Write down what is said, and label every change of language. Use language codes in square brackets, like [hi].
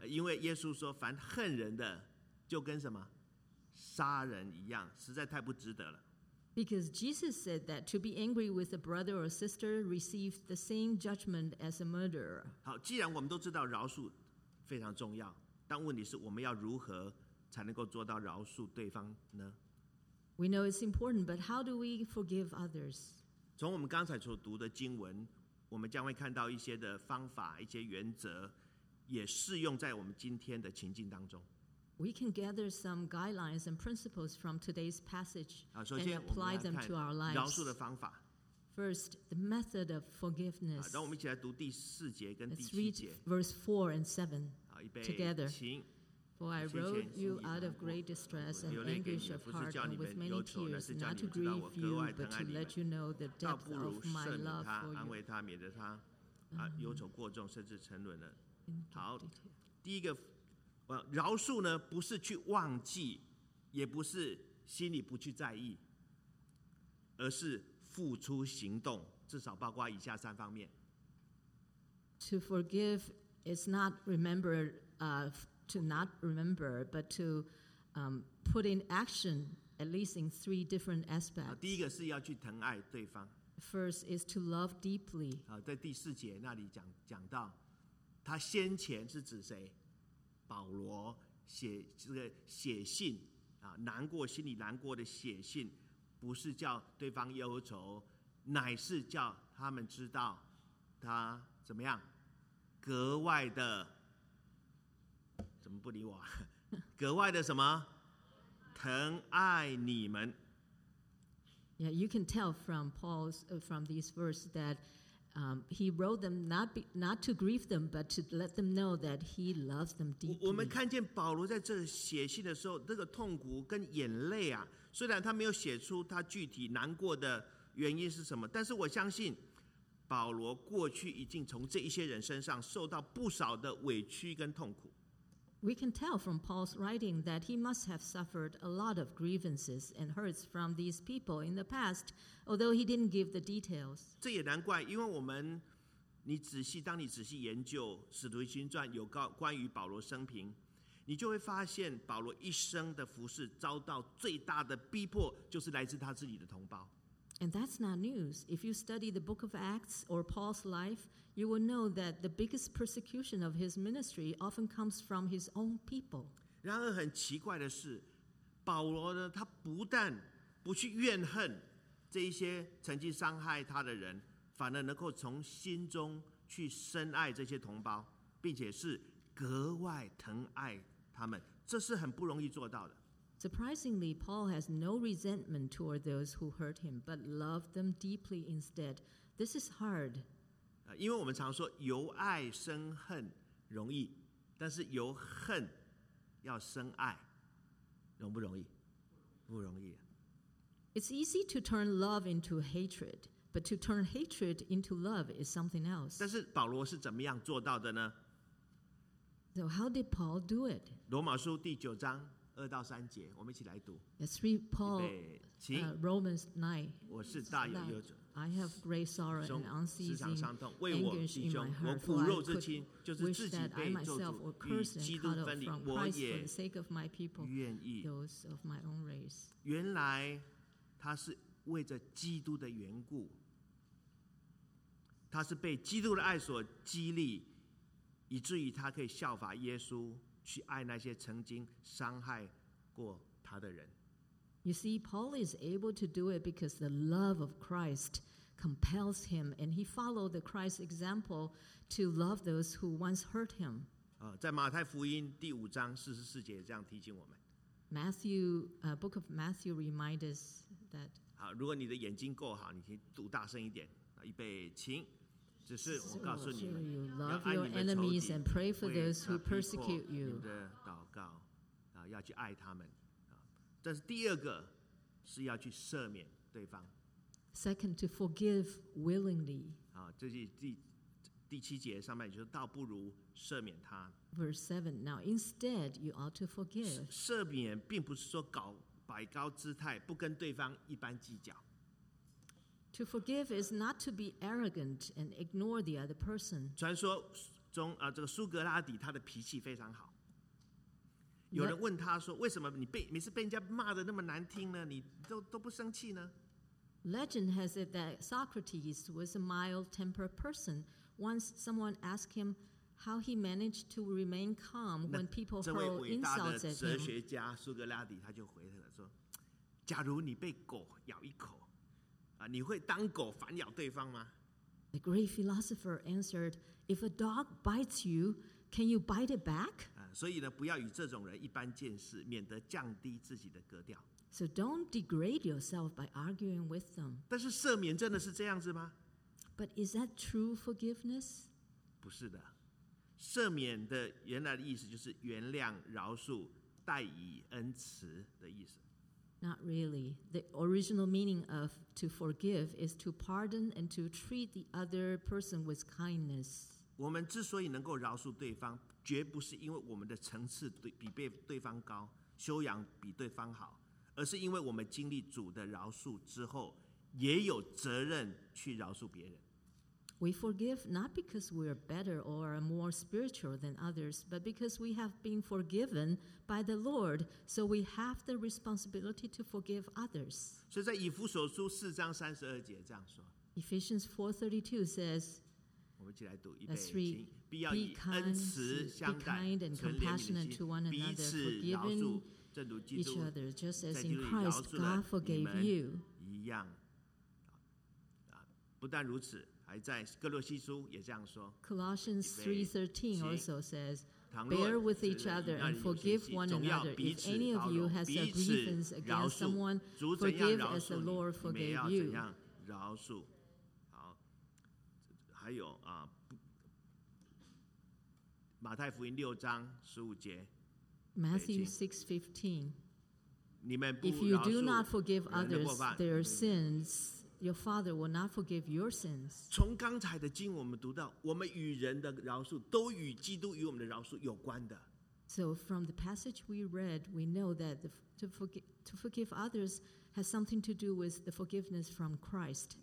[zh] 因为耶稣说，凡恨人的，就跟什么？杀人一样，实在太不值得了。 [en] Because Jesus said that to be angry with a brother or sister receives the same judgment as a murderer. [zh] 好，既然我们都知道饶恕非常重要，但问题是我们要如何才能够做到饶恕对方呢？ [en] We know it's important, but how do we forgive others? [zh] 从我们刚才所读的经文，我们将会看到一些的方法、一些原则，也适用在我们今天的情境当中。 [en] We can gather some guidelines and principles from today's passage and apply them to our lives. [zh] 饶恕的方法。 [en] First, the method of forgiveness. [zh] 让我们一起来读第四节跟第七节。 [en] Let's read verse 4 and 7 together. For I wrote you out of great distress and anguish of heart and with many tears, not to grieve you, but to let you know the depth of my love for you. [zh] 安慰他，免得他忧愁过重，甚至沉沦了。好，第一个。饶恕呢，不是去忘记，也不是心里不去在意，而是付出行动，至少包括以下三方面。 [en] To forgive is not remember, to not remember, but to put in action at least in three different aspects. [zh] 第一个是要去疼爱对方。 [en] First is to love deeply. [zh] 在第四节那里讲到，他先前是指谁？保罗写信难过，心里难过的写信，不是叫对方忧愁，乃是叫他们知道他怎么样格外的，怎么不理我，格外的什么疼爱你们。 [en] Yeah, you can tell from Paul's from these verses thatHe wrote them not to grieve them, but to let them know that he loves them deeply. [zh] 我们看见保罗在这写信的时候，这个痛苦跟眼泪啊，虽然他没有写出他具体难过的原因是什么，但是我相信保罗过去已经从这一些人身上受到不少的委屈跟痛苦。 [en] We can tell from Paul's writing that he must have suffered a lot of grievances and hurts from these people in the past, although he didn't give the details. [zh] 这也难怪，因为我们，你仔细，当你仔细研究《使徒行传》有关于保罗生平，你就会发现保罗一生的服事遭到最大的逼迫，就是来自他自己的同胞。 [en] And that's not news. If you study the book of Acts or Paul's life, you will know that the biggest persecution of his ministry often comes from his own people. [zh] 然而很奇怪的是，保罗呢，他不但不去怨恨这一些曾经伤害他的人，反而能够从心中去深爱这些同胞，并且是格外疼爱他们，这是很不容易做到的。 [en] Surprisingly, Paul has no resentment toward those who hurt him, but loved them deeply instead. This is hard. [zh] 因为我们常说由爱生恨容易，但是由恨要生爱，容不容易？不容易。 [en] It's easy to turn love into hatred, but to turn hatred into love is something else. [zh] 但是保罗是怎么样做到的呢？ [en] So how did Paul do it? [zh] 罗马书第九章二到三节，我们一起来读。 [en] Let's read Paul, Romans 9. [zh] 我是大有忧愁。 [en] I have great sorrow and unceasing anguish in my heart. [zh] 我骨肉之亲，就是自己被咒诅与基督分离，我也愿意。 [en] Those of my own race. [zh] 原来他是为着基督的缘故，他是被基督的爱所激励，以至于他可以效法耶稣。去爱那些曾经伤害过他的人。 [en] You see, Paul is able to do it because the love of Christ compels him, and he followed the Christ's example to love those who once hurt him. [zh] 在马太福音第五章四十四节这样提醒我们。 [en] Matthew, Book of Matthew reminds us that. [zh] 好，如果你的眼睛够好，你可以读大声一点。预备，请。只是我告诉你们，要爱你们的仇敌，为他逼迫你们的祷告，要去爱他们。但是第二个是要去赦免对方。 [en] Second, to forgive willingly. [zh] 这是第七节上面就是倒不如赦免他。 [en] Verse 7, now instead you ought to forgive. [zh] 赦免并不是说摆高姿态，不跟对方一般计较。 [en] To forgive is not to be arrogant and ignore the other person. [zh] 传说中，这个苏格拉底他的脾气非常好。有人问他说，为什么你被每次被人家骂的那么难听呢？你都不生气呢？ [en] Legend has it that Socrates was a mild-tempered person. Once someone asked him how he managed to remain calm when people hurled insults at him. [zh] 这位伟大的哲学家苏格拉底他就回了说，假如你被狗咬一口。你会当狗反咬对方吗？ [en] The great philosopher answered, "If a dog bites you, can you bite it back?" [zh] 所以呢，不要与这种人一般见识，免得降低自己的格调。 [en] So don't degrade yourself by arguing with them. [zh] 但是赦免真的是这样子吗？ [en] But is that true forgiveness? [zh] 不是的，赦免的原来的意思就是原谅、饶恕、待以恩慈的意思。 [en] Not really. The original meaning of to forgive is to pardon and to treat the other person with kindness. [zh] 我们之所以能够饶恕对方，绝不是因为我们的层次比对方高，修养比对方好，而是因为我们经历主的饶恕之后，也有责任去饶恕别人。 [en] We forgive not because we are better or are more spiritual than others, but because we have been forgiven by the Lord, so we have the responsibility to forgive others. [zh] 所以在以弗所书四章三十二节这样说。 [en] Ephesians 4:32 says, [zh] 我们一起来读，预备，请。必要以恩慈相待， [en] be kind and compassionate to one another, [zh] 彼此饶恕， [en] each other, just as in Christ God forgave you. [zh] 一样。不但如此。还在哥罗西书也这样说。 [en] Colossians 3:13 also says, "Bear with each other and forgive one another. If any of you has a grievance against someone, forgive as the Lord forgave you." [zh] 怎样饶恕？好，还有啊，马太福音六章十五节。 [en] Matthew 6:15. [zh] 你们不饶恕， [en] if you do not forgive others their sins, Your father will not forgive your sins. [zh] 从刚才的经我们读到，我们与人的饶恕都与基督与我们的饶恕有关的。 [en] So from the passage we read, we know that to forgive others has something to do with the forgiveness from Christ.